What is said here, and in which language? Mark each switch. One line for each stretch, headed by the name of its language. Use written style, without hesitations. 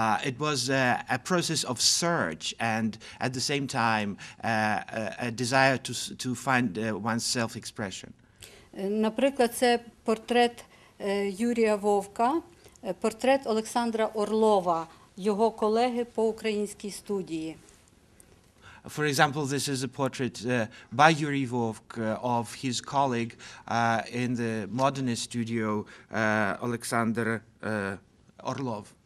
English: It was a process of search and at the same time a desire to find one's self expression.
Ukrainian: Наприклад, це портрет Юрія Вовка, портрет Олександра Орлова. його колеги по українській студії.
English: For example, this is a portrait by Yuri Vovk of his colleague in the modernist studio, Alexander Orlov.